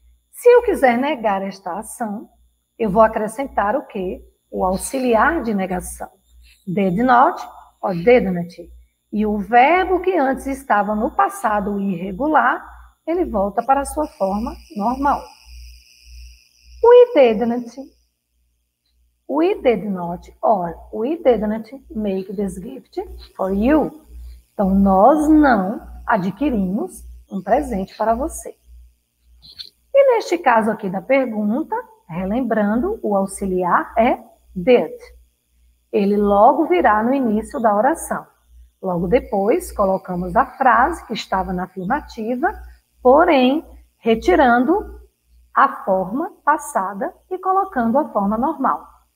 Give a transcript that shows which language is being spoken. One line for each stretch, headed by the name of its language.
Portuguese: Se eu quiser negar esta ação, eu vou acrescentar o quê? O auxiliar de negação.
English: Did not or didn't.
Portuguese: E o verbo que antes estava no passado irregular, ele volta para a sua forma normal.
English: We didn't. We did not or we didn't make this gift for you.
Portuguese: Então, nós não adquirimos um presente para você. E neste caso aqui da pergunta, relembrando, o auxiliar é did. Ele logo virá no início da oração. Logo depois, colocamos a frase que estava na afirmativa, porém, retirando a forma passada e colocando a forma normal.